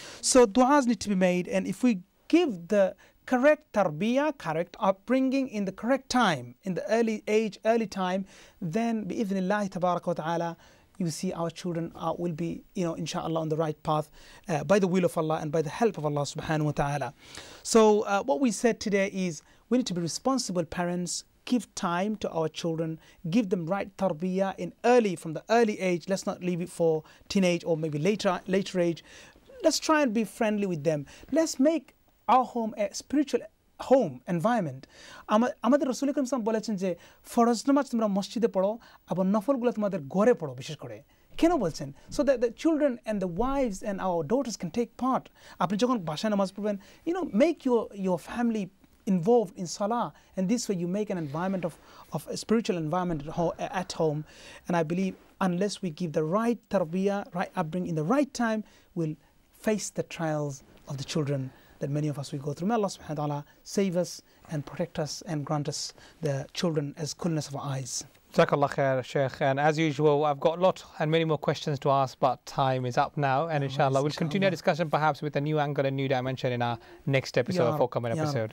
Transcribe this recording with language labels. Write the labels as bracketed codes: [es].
[en] So দোয়াস need to be made, and if we give the correct তারবিয়া, correct upbringing in the correct time, in the early age, early time, then বিইজনিল্লাহি তাবারাকা ওয়া তাআলা, you see our children will be, you know, inshallah, on the right path by the will of Allah and by the help of Allah subhanahu wa ta'ala. So what we said today is we need to be responsible parents, give time to our children, give them right tarbiyah in early, from the early age. Let's not leave it for teenage or maybe later age. Let's try and be friendly with them. Let's make our home a spiritual home environment. [bn] আমাদের রাসূল করিম সাল্লাল্লাহু আলাইহি ওয়াসাল্লাম বলেছেন যে ফরজ নামাজ তোমরা মসজিদে পড়ো, আবার নফলগুলো তোমাদের ঘরে পড়ো, বিশেষ করে. কেন বলছেন? [en] So that the children and the wives and our daughters can take part. [bn] আপনি যখন বাসায় নামাজ পড়বেন, [en] You know, make your family involved in সালাহ, and this way you make an environment of spiritual environment at home. And I believe unless we give the right তারবিয়া, right upbringing in the right time, will face the trials of the children that many of us we go through. May Allah subhanahu wa ta'ala save us and protect us and grant us the children as coolness of our eyes. JazakAllah khair, Shaykh. And as usual, I've got a lot and many more questions to ask, but time is up now. And inshallah, we'll continue our discussion perhaps with a new angle and new dimension in our next episode, forthcoming episode.